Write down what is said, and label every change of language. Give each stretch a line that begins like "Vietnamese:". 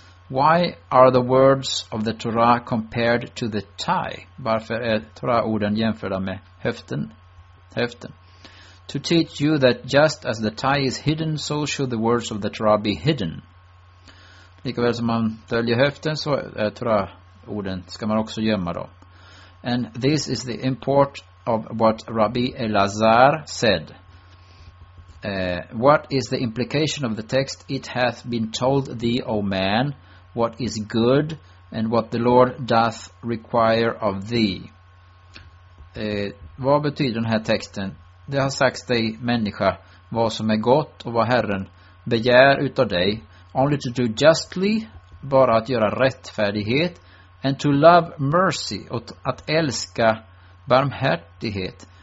English: Why are the words of the Torah compared to the thigh?
Swedish: Varför är Torah-orden jämförda med höften?
English: To teach you that just as the thigh is hidden, so should the words of the Torah be hidden.
Swedish: Likaväl som man döljer höften, så är Torah-orden, ska man också gömma dem.
English: And this is the import of what Rabbi Elazar said. What is the implication of the text? It hath been told thee, O man, what is good and what the Lord doth require of thee.
Swedish: Vad betyder den här texten? Det har sagts dig, människa, vad som är gott och vad Herren begär utav dig.
English: Only to do justly,
Swedish: bara att göra rättfärdighet.
English: And to love mercy,
Swedish: att älska barmhärtighet.